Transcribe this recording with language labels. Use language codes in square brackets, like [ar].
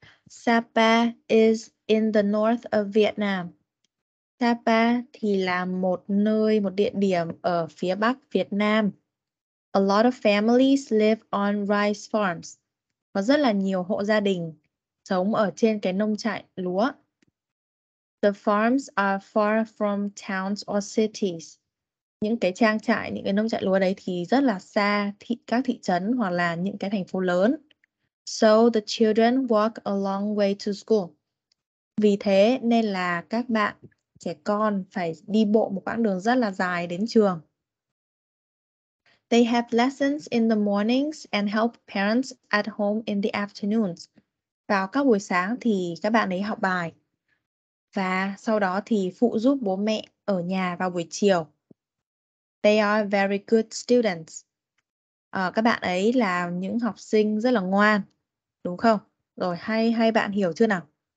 [en] Sapa is in the north of Vietnam. [vi] Sapa thì là một nơi, một địa điểm ở phía bắc Việt Nam. [en] A lot of families live on rice farms. [vi] Có rất là nhiều hộ gia đình sống ở trên cái nông trại lúa. [en] The farms are far from towns or cities. [vi] Những cái trang trại, những cái nông trại lúa đấy thì rất là xa các thị trấn hoặc là những cái thành phố lớn. [en] So the children walk a long way to school. [vi] Vì thế nên là các bạn trẻ con phải đi bộ một quãng đường rất là dài đến trường. [en] They have lessons in the mornings and help parents at home in the afternoons. [vi] Vào các buổi sáng thì các bạn ấy học bài. Và sau đó thì phụ giúp bố mẹ ở nhà vào buổi chiều. [en] They are very good students. [vi] Các bạn ấy là những học sinh rất là ngoan. Đúng không? Rồi, hay bạn hiểu chưa nào?